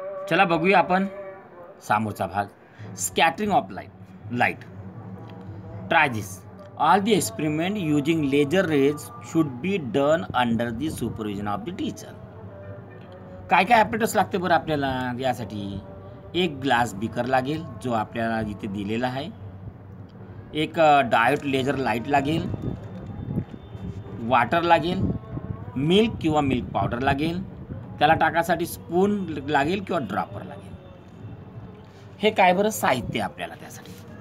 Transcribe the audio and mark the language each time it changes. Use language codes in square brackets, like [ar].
[mr] चला बघूया आपण समोरचा भाग. [en] Scattering of light ट्रायजिस. All the experiment using laser rays should be done under the supervision of the teacher. [mr] काय काय ॲपरेटस लागते बरं आपल्याला यासाठी. एक ग्लास बीकर लागेल जो आपल्याला इथे दिलेला आहे. एक डायोड लेजर लाईट लागेल. वॉटर लागेल, मिल्क किंवा मिल्क पावडर लागेल. त्याला टाकासाठी स्पून लागेल किंवा ड्रॉपर लागेल. हे काय बरं साहित्य आपल्याला त्यासाठी.